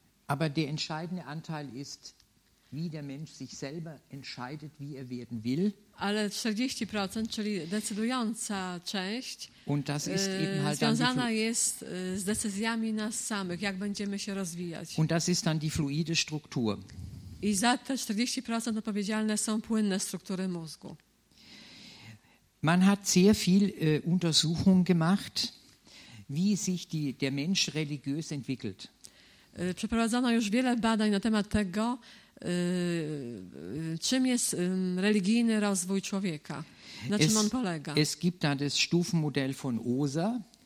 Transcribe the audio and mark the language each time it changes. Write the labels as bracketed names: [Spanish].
[German] Aber der entscheidende Anteil ist, wie der Mensch sich selber entscheidet, wie er werden will. [Polish] Ale 40%, czyli decydująca część, [German] und das ist eben halt [Polish] związana jest z decyzjami nas samych, jak będziemy się rozwijać. [German] Und das ist dann die fluide Struktur. [Polish] I za te 40% odpowiedzialne są płynne struktury mózgu. [German] Man hat sehr viel Untersuchung gemacht, wie sich der Mensch religiös entwickelt. [Polish] Przeprowadzono już wiele badań na temat tego, czym jest religijny rozwój człowieka, na czym on polega. [German] Es gibt da das Stufenmodell von Osa.